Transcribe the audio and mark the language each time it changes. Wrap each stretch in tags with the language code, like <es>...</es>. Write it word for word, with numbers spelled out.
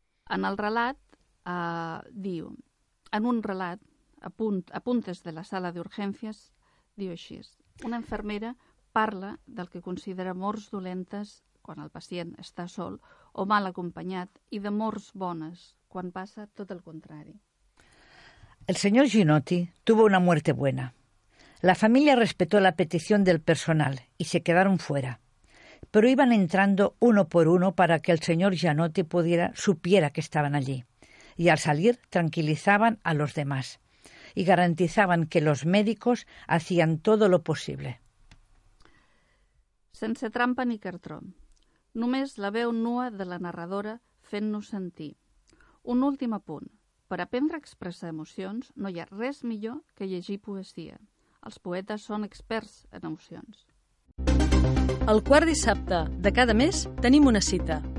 <ca>En el relat, eh, diu, en un relat, a, punt, a puntes de la sala d'urgències, diu així, una infermera parla del que considera morts dolentes quan el pacient està sol o mal acompanyat i de morts bones quan passa tot el contrari.</ca> <es>El señor Ginotti tuvo una muerte buena. La familia respetó la petición del personal y se quedaron fuera. Pero iban entrando uno por uno para que el señor Gianotti pudiera, supiera que estaban allí. Y al salir tranquilizaban a los demás y garantizaban que los médicos hacían todo lo posible.</es> <ca>Sense trampa ni cartró. Només la veu nua de la narradora fent-nos sentir. Un últim apunt. Per aprendre a expressar emocions no hi ha res millor que llegir poesia. Els poetes són experts en emocions. El quart dissabte de cada mes tenim una cita.</ca>